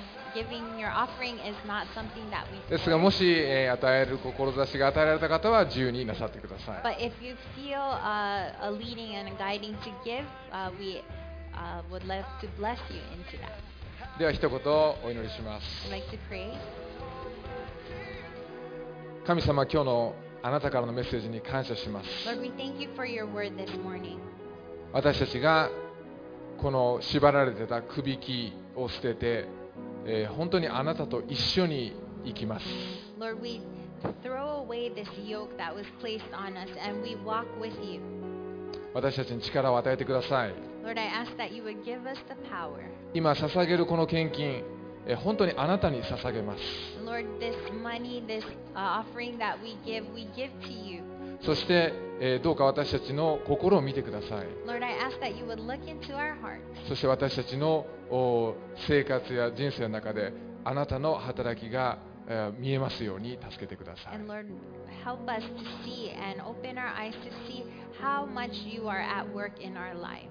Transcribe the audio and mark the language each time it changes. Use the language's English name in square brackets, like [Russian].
[English] Giving your offering is not something that we. [Japanese] ですが、もし、与える志が与えられた方は自由になさってください。 [English] But if you feel a leading and a guiding to give, we would love to bless you into that. [Japanese] では一言お祈りします。神様、今日のあなたからのメッセージに感謝します。 [English] Lord, we thank you for your word this morning. [Japanese] 私たちがこの縛られてた首輝きを捨てて、本当にあなたと一緒に行きます。 [English] Lord, we throw away this yoke that was placed on us and we walk with you. [Japanese] 私たちに力を与えてください。 [English] Lord, I ask that you would give us the power. [Japanese] 今捧げるこの献金、本当にあなたに捧げます。 [English] Lord, this money, this offering that we give, we give to you. [Japanese] そして、どうか私たちの心を見てください。 [English] Lord, I ask that you would look into our hearts. [Japanese] そして私たちの生活や人生の中であなたの働きが見えますように助けてください。 [English] And Lord, help us to see and open our eyes to see how much you are at work in our life.